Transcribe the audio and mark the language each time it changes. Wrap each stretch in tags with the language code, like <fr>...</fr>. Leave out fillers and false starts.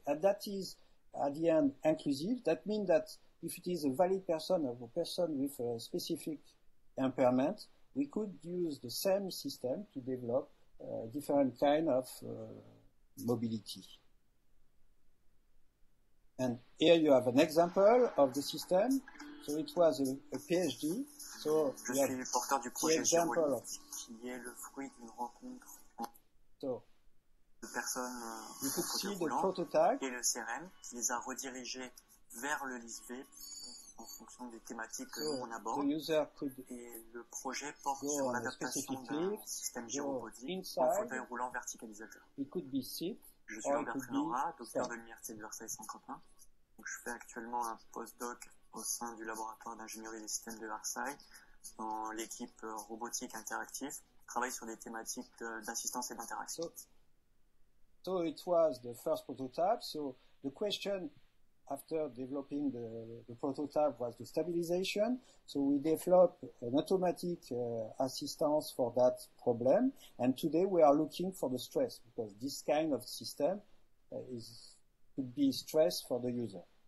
<en>And that is, at the end, inclusive. That means that if it is a valid person or a person with a specific impairment, we could use the same system to develop different kind of mobility. And here you have an example of the system. So it was a PhD. So we have the example of...</en> <fr>qui est le fruit d'une rencontre de personnes en fauteuil roulant et le CEREMH qui les a redirigés vers le LISV en fonction des thématiques qu'on aborde.</fr> <en>The user could</en> <fr>et le projet porte sur l'adaptation d'un système gyrobotique en fauteuil roulant verticalisateur.</fr> <en>It could be seat,</en> <fr>je suis Albert Flora, docteur de l'Université de Versailles 51. Donc, je fais actuellement un postdoc au sein du laboratoire d'ingénierie des systèmes de Versailles dans l'équipe robotique interactive. Je travaille sur des thématiques d'assistance et d'interaction.</fr> <en>So it was the first prototype. So the question after developing the prototype was the stabilization. So we develop an automatic assistance for that problem. And today we are looking for the stress because this kind of system could be stress for the user.</en>